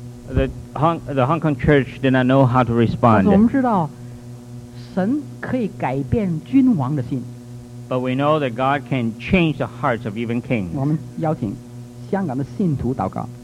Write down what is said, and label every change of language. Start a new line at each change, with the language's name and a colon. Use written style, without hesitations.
English: the Hong Kong church did not know how to respond.
Chinese: 我们知道神可以改变君王的心。
English: But we know that God can change the hearts of even kings.
Chinese: 我们邀请香港的信徒祷告。